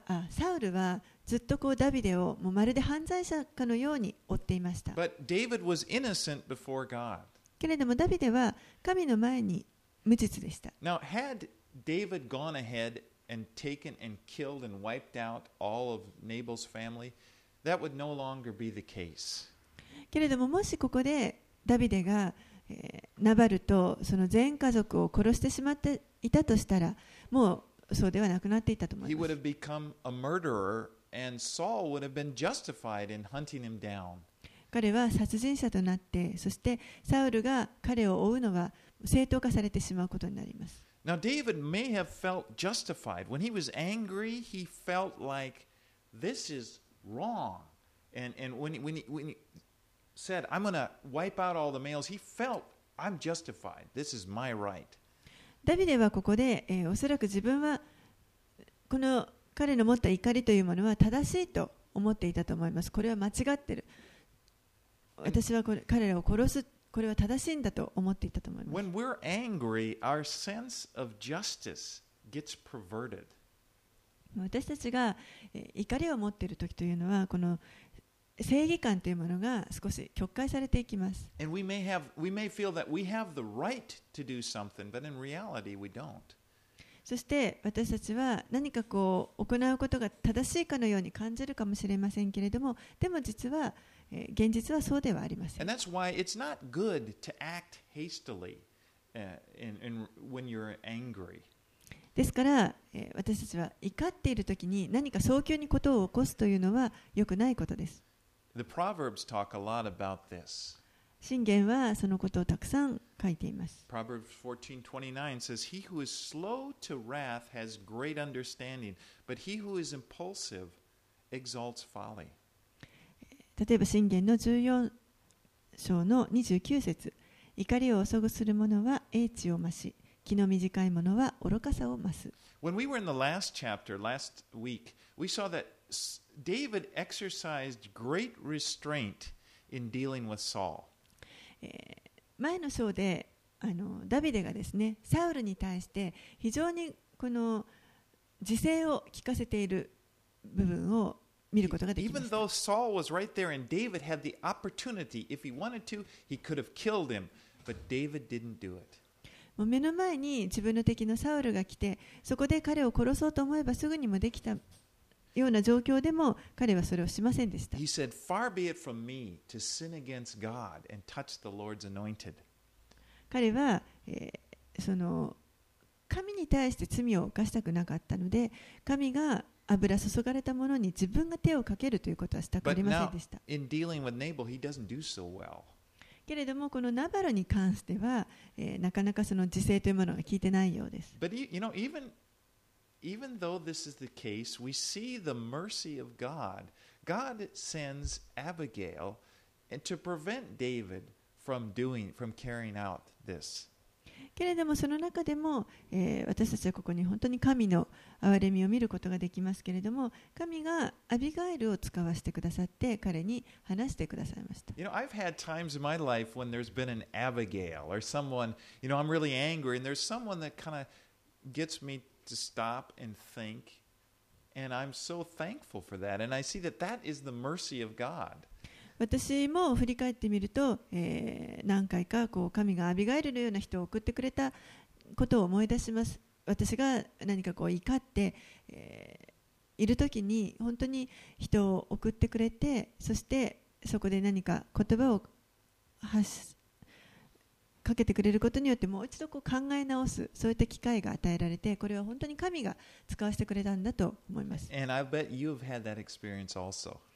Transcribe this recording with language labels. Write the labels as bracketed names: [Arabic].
[Japanese] サウルはずっとこうダビデをもうまるで犯罪者かのように追っていました。 [English] But David was innocent before God. [Japanese] けれどもダビデは神の前に無実でした。 [English] Now had David gone ahead and taken and killed and wiped out all of Nabal's family, that would no longer be the case. [Japanese] けれどももしここでダビデが、ナバルとその全家族を殺してしまっていたとしたら、もうそうではなくなっていたと思います。 [English] He would have become a murderer, and Saul would have been justified in hunting him down. [Japanese] 彼は殺人者となって、そしてサウルが彼を追うのは正当化されてしまうことになります。 [English] Now David may have felt justified. When he was angry, he felt like this is wrong. And when he said, I'm going to wipe out all the males. He felt, I'm justified. This is my right. [Japanese] ダビデはここで、おそらく自分はこの彼の持った怒りというものは正しいと思っていたと思います。これは間違ってる。私はこれ彼らを殺す。これは正しいんだと思っていたと思います。 [English] When we're angry, our sense of justice gets perverted. [Japanese] 私たちが、怒りを持っている時というのは、この正義感というものが少し曲解されていきます。そして私たちは何かこう行うことが正しいかのように感じるかもしれませんけれども、でも実は現実はそうではありません。 [English] And that's why it's not good to act hastily, when you're angry. [Japanese] ですから、私たちは怒っているときに何か早急にことを起こすというのは良くないことです。 [English] The Proverbs talk a lot about this. [Japanese] 箴言はそのことをたくさん書いています。 [English] Proverbs 14:29 says, He who is slow to wrath has great understanding, but he who is impulsive exalts folly. [Japanese] 例えば箴言の14章の29節、怒りを遅くする者は英知を増し、気の短いものは愚かさを増す。 [English] When we were in the last chapter last week, we saw that David exercised great restraint in dealing with Saul. [Japanese] 前の章で、ダビデがですね、サウルに対して非常にこの自制を聞かせている部分を見ることができました。 [English] Even though Saul was right there and David had the opportunity, if he wanted to, he could have killed him, but David didn't do it. [Japanese] もう目の前に自分の敵のサウルが来て、そこで彼を殺そうと思えばすぐにもできたような状況でも彼はそれをしませんでした。 [English] He said, "Far be it from me to sin against God and touch the Lord's anointed." [Japanese] 彼は、その神に対して罪を犯したくなかったので、神が油注がれたものに自分が手をかけるということはしたくありませんでした。 [English] But now, in dealing with Nabal, he doesn't do so well. [Japanese] けれどもこのナバルに関しては、なかなかその自制というものが効いてないようです。 [English] But you know, even though this is the case, we see the mercy of God. God sends Abigail to prevent David from carrying out this. [Japanese] けれどもその中でも、私たちはここに本当に神の憐れみを見ることができますけれども、神がアビガエルを使わせてくださって彼に話してくださいました。 [English] You know, I've had times in my life when there's been an Abigail or someone, you know, I'm really angry and there's someone that kind of gets me to stop and think, and I'm so thankful for that. And I see that that is the mercy of God. [Japanese] 私も振り返ってみると、何回かこう神がアビガエルのような人を送ってくれたことを思い出します。私が何かこう怒って、いるときに本当に人を送ってくれて、そしてそこで何か言葉を発しかけてくれることによってもう一度こう考え直すそういった機会が与えられて、これは本当に神が使わせてくれたんだと思います。 [English] And I bet you have had that experience also.